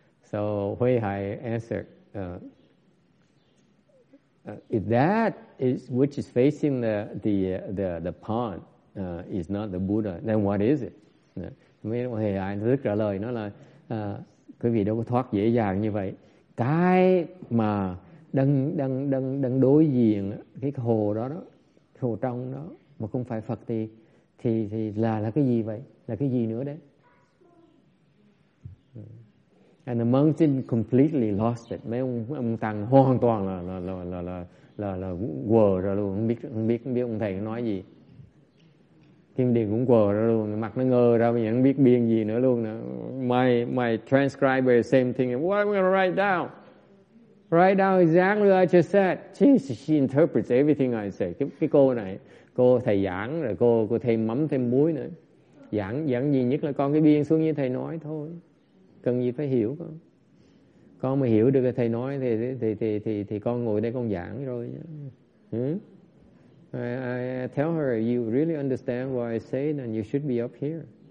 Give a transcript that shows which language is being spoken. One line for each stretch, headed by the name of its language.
English: So Hui Hai answered, if that is which is facing the pond is not the Buddha, then what is it?
Vietnamese: Hui Hai thức trả lời, nó là quý vị đâu có thoát dễ dàng như vậy. Cái mà đang đối diện cái hồ đó, hồ trong đó mà không phải Phật thì là cái gì vậy? Là cái gì nữa đấy?
English: And the monks completely lost it.
Vietnamese: Mấy ông tăng hoàn toàn là quờ ra luôn, không biết ông thầy nói gì. Kim Điền cũng quờ ra luôn, mặt nó ngơ ra, mình không biết biên gì nữa luôn.
English: My transcriber same thing. What am I gonna write down? Write down exactly what I just said. Jesus, she interprets everything I say.
Vietnamese: Cái cô này, cô thầy giảng rồi cô thêm mắm thêm muối nữa. Giảng gì nhất là con cái biên xuống như thầy nói thôi. Cần gì phải hiểu con? Con mà hiểu được cái thầy nói thì con ngồi đây con giảng rồi.
English: I tell her, you really understand what I say, then you should be up here.